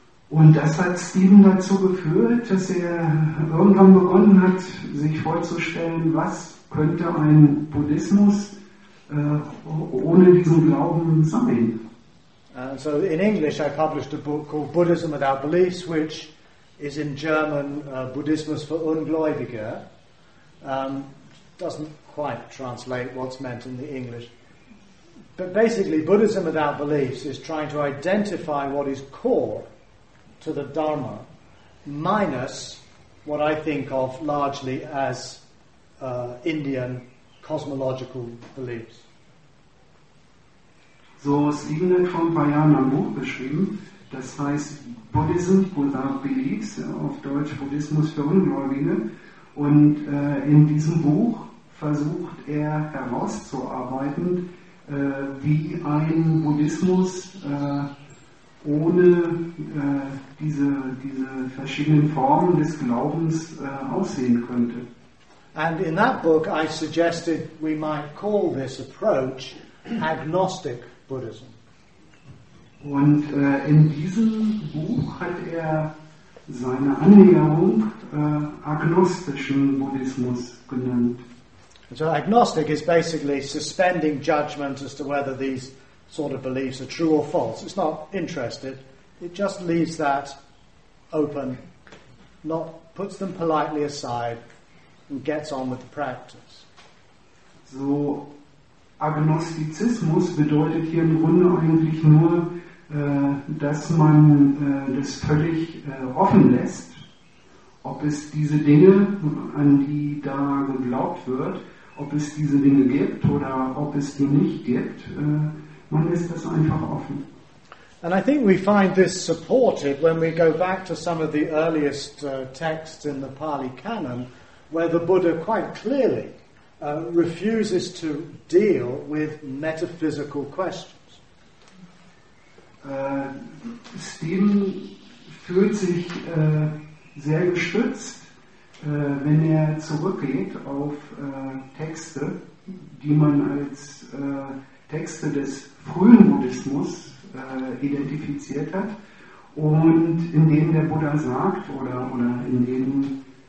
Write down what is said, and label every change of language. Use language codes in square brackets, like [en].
[de] Und das hat Stephen dazu geführt, dass er irgendwann begonnen hat, sich vorzustellen, was könnte ein Buddhismus ohne diesen Glauben sein. [en] So in English I published a book called Buddhism Without Beliefs, which is in German [de] Buddhismus für Ungläubige. [en] Doesn't quite translate what's meant in the English. But basically, Buddhism Without Beliefs is trying to identify what is core to the Dharma, minus what I think of largely as Indian cosmological beliefs. [de] So, Stephen hat vor ein paar Jahren ein Buch geschrieben, das heißt [en] Buddhism Without Beliefs, [de] auf Deutsch Buddhismus für Ungläubige. Und in diesem Buch versucht er herauszuarbeiten, wie ein Buddhismus ohne diese verschiedenen Formen des Glaubens aussehen könnte. [en] And in that book I suggested we might call this approach agnostic Buddhism. [de] Und in diesem Buch hat er seine Annäherung agnostischen Buddhismus genannt. [en] So agnostic is basically suspending judgment as to whether these sort of beliefs are true or false. It's not interested. It just leaves that open, not puts them politely aside and gets on with the practice. [de] So Agnostizismus bedeutet hier im Grunde eigentlich nur, dass man das völlig offen lässt, ob es diese Dinge, an die da geglaubt wird, ob es diese Dinge gibt oder ob es die nicht gibt, man lässt das einfach offen. [en] And I think we find this supported when we go back to some of the earliest texts in the Pali Canon, where the Buddha quite clearly refuses to deal with metaphysical questions. [de] Stephen fühlt sich sehr geschützt, wenn er zurückgeht auf Texte, die man als Texte des frühen Buddhismus identifiziert hat und in denen der Buddha sagt oder in denen